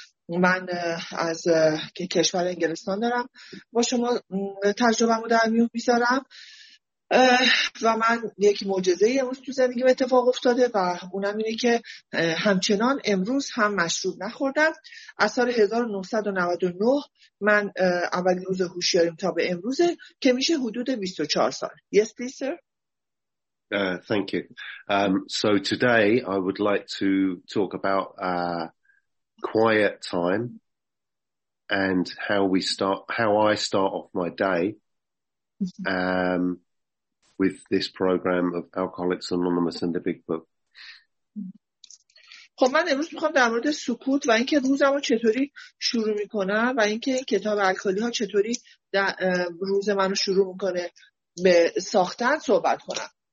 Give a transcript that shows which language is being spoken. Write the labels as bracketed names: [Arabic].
[Persian] من از کشور انگلستان دارم با شما تجربه مو در میون میذارم و من یکی معجزه امروز تو زندگیم اتفاق افتاده و اونم اینه که همچنان امروز هم مشروب نخوردم. از سال 1999 من اولین روز هوشیاریم تا به امروزه که میشه حدود 24 سال. [English] Yes, please, sir. Thank you. So today I would like to talk about quiet time and how I start off my day with this program of Alcoholics Anonymous and the Big Book. [Persian] خب من امروز میخوام در مورد سکوت و اینکه روزمو چطوری شروع میکنم و اینکه کتاب الکلی ها چطوری روز منو شروع میکنه به ساختن صحبت کنم.